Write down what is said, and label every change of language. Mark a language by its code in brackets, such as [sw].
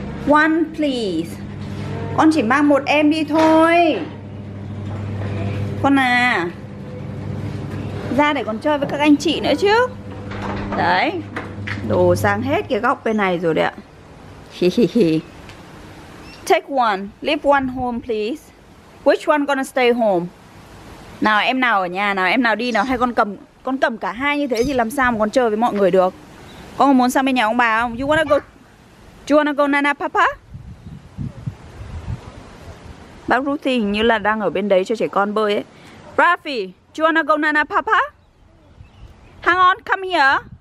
[en] One, please. [vi] Con chỉ mang một em đi thôi. Con à, ra để còn chơi với các anh chị nữa chứ. Đấy, đồ sang hết cái góc bên này rồi đấy ạ. [en] Take one, leave one home please. Which one gonna stay home? [vi] Nào em nào ở nhà, nào em nào đi nào. Hay con cầm cả hai như thế thì làm sao mà con chơi với mọi người được. Con muốn sang bên nhà ông bà không? [en] You wanna go? You wanna go Nana Papa? [vi] Bác Ruthie hình như là đang ở bên đấy cho trẻ con bơi ấy. [en] Rafi, do you wanna go Nana Papa? Hang on, come here.